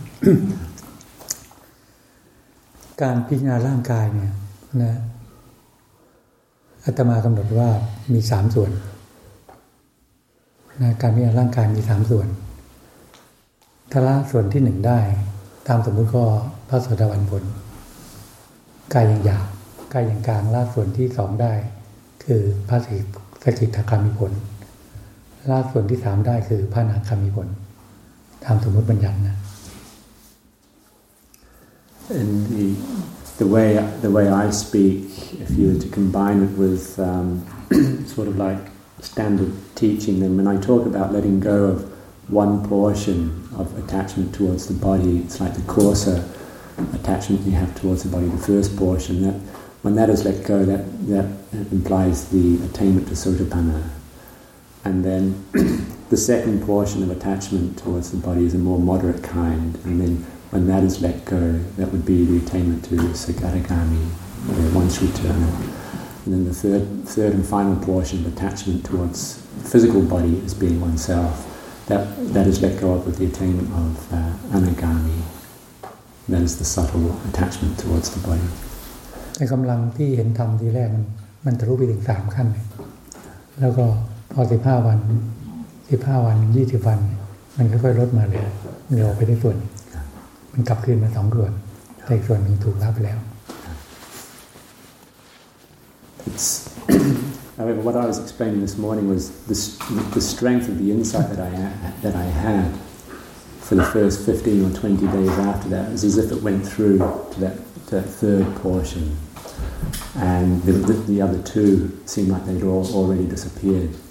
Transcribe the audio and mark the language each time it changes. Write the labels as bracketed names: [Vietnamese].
[Thai] การพิจารณาร่างกายเนี่ยนะอาตมากำหนดว่ามี3 ส่วนนะการพิจารณาร่างกายมี3 ส่วนถ้าละส่วนที่1ได้ตามสมมุติก็พระโสดาบันผลกายอย่างหยาบกายอย่างกลางละส่วนที่2ได้คือพระสกิทาคามีผลละส่วนที่3ได้คือพระอนาคามีผลตามสมมุติบัญญัตินะ [English] and the way I speak if you were to combine it with sort of like standard teaching then when I talk about letting go ofone portion of attachment towards the body, it's like the coarser attachment you have towards the body, the first portion, that when that is let go, that implies the attainment to sotapanna. And then the second portion of attachment towards the body is a more moderate kind, and then when that is let go, that would be the attainment to sakadagami, the one's return. And then the third and final portion of attachment towards the physical body is being oneself. That is let go of with the attainment of anagami. That is the subtle attachment towards the body. [Thai] แต่กำลังที่เห็นธรรมทีแรกมันทะลุไปถึง3 ขั้นเลยแล้วก็พอ15 วัน 15 วัน20 วันมันค่อยๆลดมาเลยเหลือไปได้ส่วนมันกลับคืนมา2 ส่วนแต่ส่วนหนึ่งถูกรับไปแล้ว [English] It's However, what I was explaining this morning was the strength of the insight that I had for the first 15 or 20 days after that is as if it went through to that third portion, and the other two seemed like they'd all already disappeared.